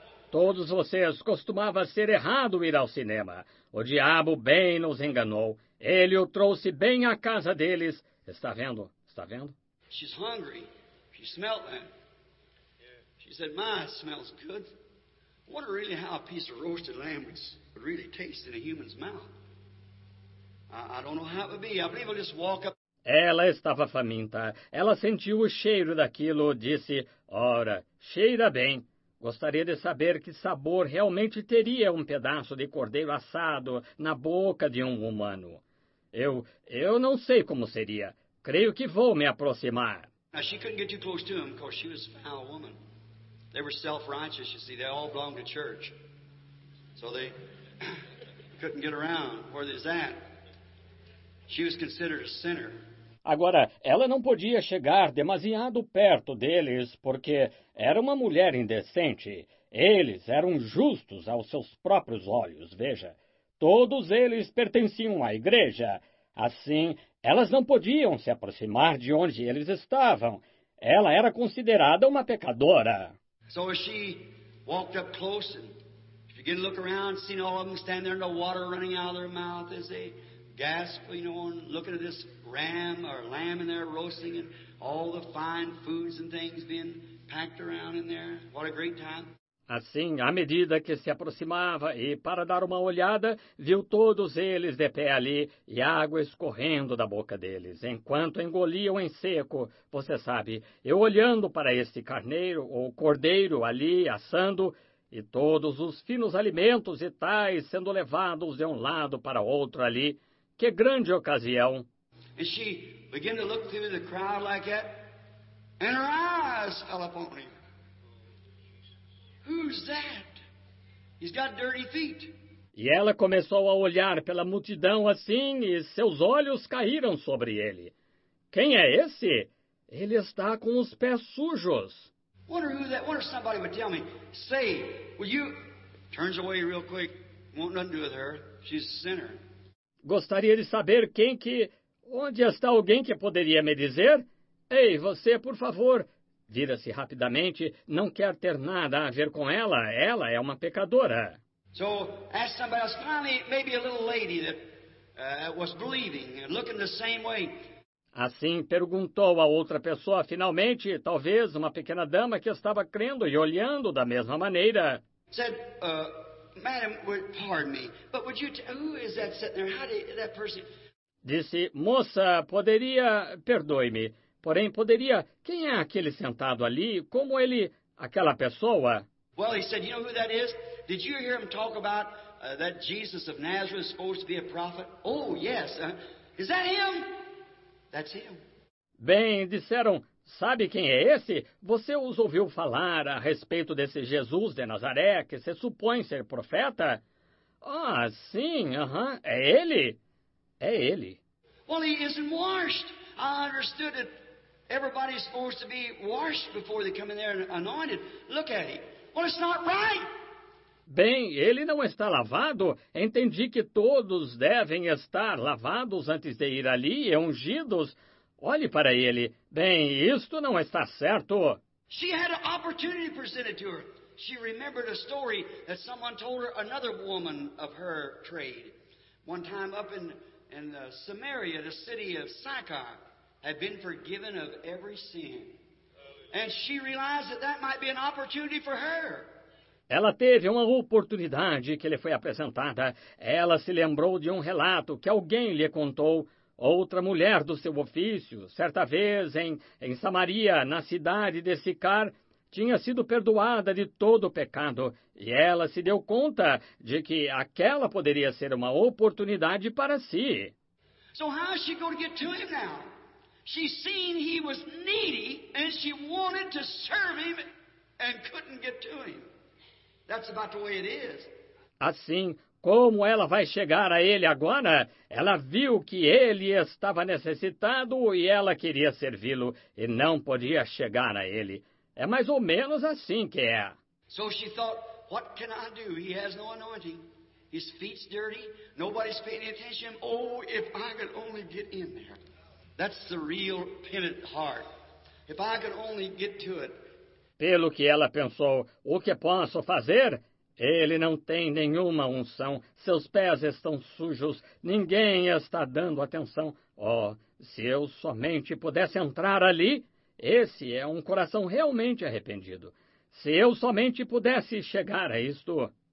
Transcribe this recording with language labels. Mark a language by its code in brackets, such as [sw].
[pt] Todos vocês costumavam ser errado ir ao cinema. O diabo bem nos enganou. Ele o trouxe bem à casa deles. Está vendo? Está vendo? [en] She's hungry. She smelled that. She said, "My, it smells good. I wonder really how a piece of roasted lamb would really taste in a human's mouth. I don't know how it would be. I believe I'll just walk up." [pt] Ela estava faminta. Ela sentiu o cheiro daquilo. Disse, "Ora, cheira bem. Gostaria de saber que sabor realmente teria um pedaço de cordeiro assado na boca de um humano. Eu não sei como seria. Creio que vou me aproximar." [en] Now, she couldn't get too close to him because she was a foul woman. They were self-righteous, you see. They all belonged to church. So they couldn't get around where they was at. She was considered a sinner. [pt] Agora, ela não podia chegar demasiado perto deles porque era uma mulher indecente. Eles eram justos aos seus próprios olhos, veja. Todos eles pertenciam à igreja. Assim, elas não podiam se aproximar de onde eles estavam. Ela era considerada uma pecadora. [en] So she walked up close and began to look around, seeing all of them standing there in the water running out of their mouth as they gasped, you know, and looking at this ram or lamb in there roasting and all the fine foods and things being packed around in there. What a great time. [pt] Assim, à medida que se aproximava e para dar uma olhada, viu todos eles de pé ali e água escorrendo da boca deles, enquanto engoliam em seco, você sabe, eu olhando para este carneiro ou cordeiro ali assando e todos os finos alimentos e tais sendo levados de um lado para outro ali. Que grande ocasião! E ela começou a olhar pela [en] crowd [pt] assim, e seus olhos [en] fell upon him. Who's that? He's got dirty feet. [pt] E ela começou a olhar pela multidão assim, e seus olhos caíram sobre ele. Quem é esse? Ele está com os pés sujos. [en] Wonder who that? Wonder somebody would tell me. Say, will you? Turns away real quick. Won't nothing do with her. She's a sinner. [pt] Gostaria de saber quem que. Onde está alguém que poderia me dizer? Ei, você, por favor. Vira-se rapidamente, não quer ter nada a ver com ela. Ela é uma pecadora. [en] So, ask somebody else, finally, maybe a little lady that was believing and looking the same way. [pt] Assim, perguntou a outra pessoa, finalmente, talvez uma pequena dama que estava crendo e olhando da mesma maneira. [en] Said, madam, pardon me, but would you tell, who is that sitting there? How did that person... [pt] Disse, moça, poderia, perdoe-me. Porém, poderia... Quem é aquele sentado ali? Como ele... Aquela pessoa? [en] Well, he said, you know who that is? Did you hear him talk about that Jesus of Nazareth is supposed to be a prophet? Oh, yes. Is that him? That's him. [pt] Bem, disseram, sabe quem é esse? Você os ouviu falar a respeito desse Jesus de Nazaré, que se supõe ser profeta? Ah, sim, aham. É ele? É ele. [en] Well, he isn't washed. I understood it. Everybody's supposed to be washed before they come in there and anointed. Look at him. Well, it's not right. [pt] Bem, ele não está lavado. Entendi que todos devem estar lavados antes de ir ali e ungidos. Olhe para ele. Bem, isto não está certo. [en] She had an opportunity presented to her. She remembered a story that someone told her, another woman of her trade. One time up in Samaria, the city of Sychar, had been forgiven of every sin. And she realized that that might be an opportunity for her. [pt] Ela teve uma oportunidade que lhe foi apresentada. Ela se lembrou de um relato que alguém lhe contou. Outra mulher do seu ofício, certa vez em Samaria, na cidade de Sicar, tinha sido perdoada de todo o pecado. E ela se deu conta de que aquela poderia ser uma oportunidade para si. [en] So how is she going to get to him now? She seen he was needy and she wanted to serve him and couldn't get to him. That's about the way it is. [pt] Assim, como ela vai chegar a ele agora? Ela viu que ele estava necessitado e ela queria servi-lo e não podia chegar a ele. É mais ou menos assim que é. [en] So she thought, what can I do? He has no anointing. His feet's dirty. Nobody's paying attention. Oh, if I could only get in there. That's the real penitent heart. If I could only get to it. [pt] Pelo que ela pensou, o que posso fazer? Ele não tem nenhuma unção. Seus pés estão sujos. Ninguém está dando atenção. Oh, se eu somente pudesse entrar ali. Esse é um coração realmente arrependido. Se eu somente pudesse chegar a isto.